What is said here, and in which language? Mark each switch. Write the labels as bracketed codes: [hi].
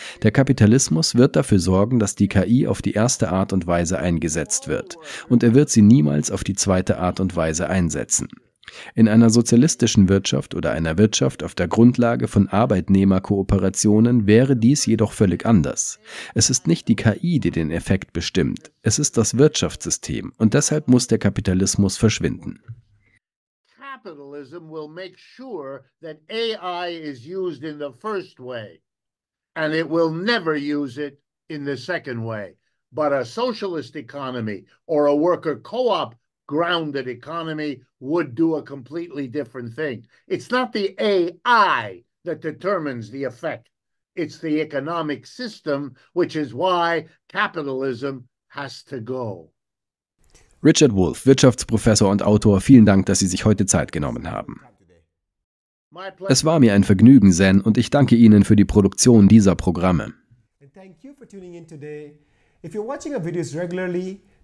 [de] Der Kapitalismus wird dafür sorgen, dass die KI auf die erste Art und Weise eingesetzt wird, und er wird sie niemals auf die zweite Art und Weise einsetzen. In einer sozialistischen Wirtschaft oder einer Wirtschaft auf der Grundlage von Arbeitnehmerkooperationen wäre dies jedoch völlig anders. Es ist nicht die KI, die den Effekt bestimmt. Es ist das Wirtschaftssystem, und deshalb muss der Kapitalismus verschwinden. [en] Capitalism will make sure that AI is used in the first way, and it will never use it in the second way. But a socialist economy or a worker co-op grounded economy would do a completely different thing. It's not the AI that determines the effect. It's the economic system, which is why capitalism has to go. [de] Richard Wolff, Wirtschaftsprofessor und Autor, vielen Dank, dass Sie sich heute Zeit genommen haben. Es war mir ein Vergnügen, Zen, und ich danke Ihnen für die Produktion dieser Programme. [en] And thank you for tuning in today. If you're watching our videos regularly,